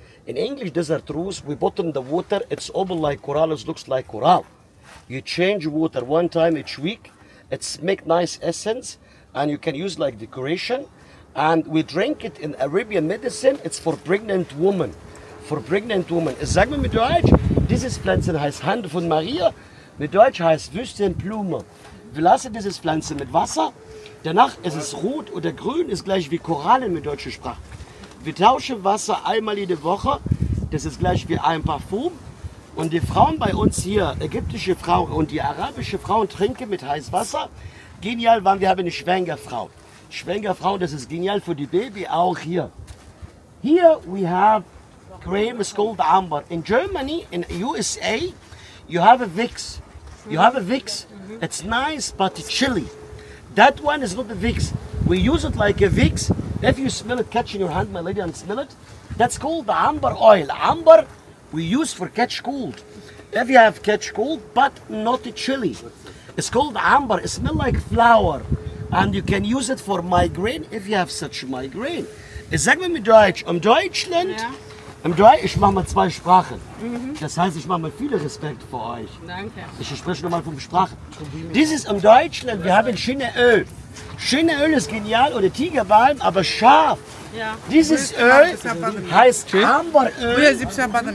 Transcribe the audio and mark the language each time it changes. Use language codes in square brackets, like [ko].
[en] In English desert rose, we bottom the water, it's open like coral, it looks like coral. You change water one time each week, it's make nice essence, and you can use like decoration. And we drink it in Arabian medicine, it's for pregnant woman. For pregnant woman. [de] Sag mir mit Deutsch, dieses Pflanzen heißt Hand von Maria, mit Deutsch heißt Wüstenblume. Wir lassen dieses Pflanzen mit Wasser, danach ist es rot oder grün, ist gleich wie Korallen mit deutscher Sprache. Wir tauschen Wasser einmal jede Woche, das ist gleich wie ein Parfum. Und die Frauen bei uns hier, ägyptische Frauen und die arabische Frauen, trinken mit heißem Wasser. Genial, weil wir haben eine Schwangerfrau. Schwangerfrau, das ist genial für die Baby auch hier. [en] Hier, we have cream, it's called Amber. In Germany, in USA, you have a Vicks. You have a Vicks, it's nice, but it's chilly. That one is not a Vicks. We use it like a Vicks. If you smell it, catch in your hand, my lady, and smell it. That's called the amber oil. Amber, we use for catch cold. If you have catch cold, but not a chili. It's called amber. It smells like flower. And you can use it for migraine if you have such migraine. [de] Ich sag mir mit Deutsch. Im Deutschland, yeah. Im Deutsch, ich mache mal zwei Sprachen. Mm-hmm. Das heißt, ich mache mal viel Respekt vor euch. Danke. Ich spreche nochmal von Sprachen. Das ist im Deutschland, wir haben Schinneöl. Schinneöl ist genial oder Tigerbalm, aber scharf. Ja. Dieses Öl heißt Amberöl.